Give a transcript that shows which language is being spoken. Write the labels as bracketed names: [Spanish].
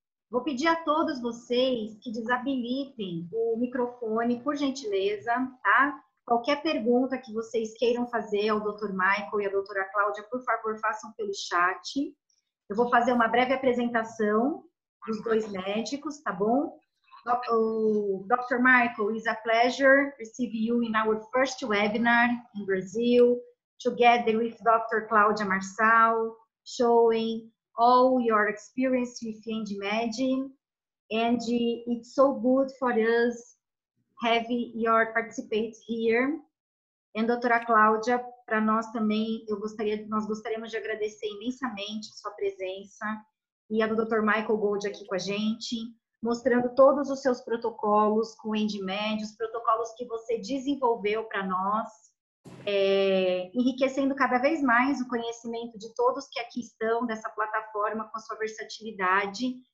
[Portuguese] Vou pedir a todos vocês que desabilitem o microfone, por gentileza, tá? Qualquer pergunta que vocês queiram fazer ao Dr. Michael e à doutora Cláudia, por favor, façam pelo chat. Eu vou fazer uma breve apresentação dos dois médicos, tá bom? [English] Dr. Michael, it's a pleasure to receive you in our first webinar in Brazil, together with Dr. Cláudia Marçal, showing all your experience with EndMed, and it's so good for us having your participate here. [Portuguese] E doutora Cláudia, para nós também, nós gostaríamos de agradecer imensamente a sua presença e a do Dr. Michael Gold aqui com a gente, mostrando todos os seus protocolos com o EndMed, os protocolos que você desenvolveu para nós, enriquecendo cada vez mais o conhecimento de todos que aqui estão dessa plataforma com a sua versatilidade.